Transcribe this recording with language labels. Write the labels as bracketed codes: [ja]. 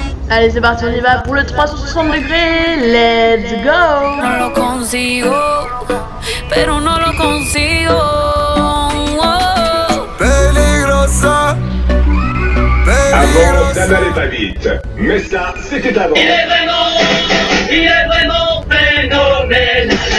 [fr] Allez, c'est parti, on y va pour le 360 degrés. [en] Let's go! [es] No lo consigo, pero no lo consigo. Peligrosa. Peligrosa. [fr] Avant, ça n'allait pas vite. Mais ça, c'était avant. Il est vraiment phénoménal.